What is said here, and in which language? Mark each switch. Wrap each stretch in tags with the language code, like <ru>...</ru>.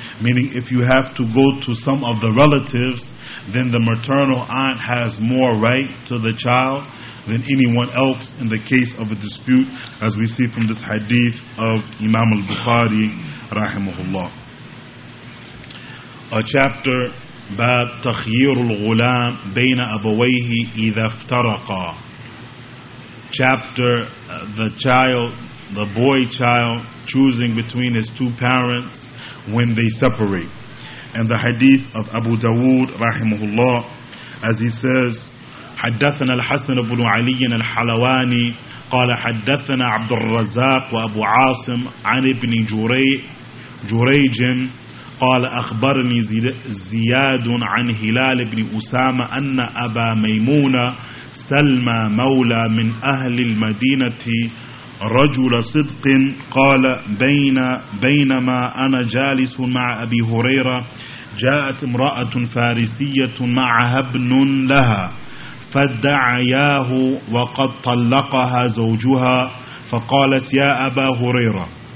<en>Meaning if you have to go to some of the relatives, then the maternal aunt has more right to the child than anyone else in the case of a dispute, as we see from this hadith of Imam al-Bukhari rahimahullah. A chapter,</en> <ar>باب تخيير الغلام بين أبويه إذا افترقا.</ar> <en>Chapter, the child, the boy child choosing between his two parents when they separate. And the hadith of Abu Dawood rahimahullah, as he says,</en> <ar>حدثنا الحسن بن علي الحلواني قال حدثنا عبد الرزاق وأبو عاصم عن ابن جريج قال أخبرني زياد عن هلال بن أسامة أن أبا ميمون سلمى مولى من أهل المدينة رجل صدق قال بينما أنا جالس مع أبي هريرة جاءت امرأة فارسية معها ابن لها فدعياه وقد طلقها زوجها فقالت يا أبا هريرة</ar>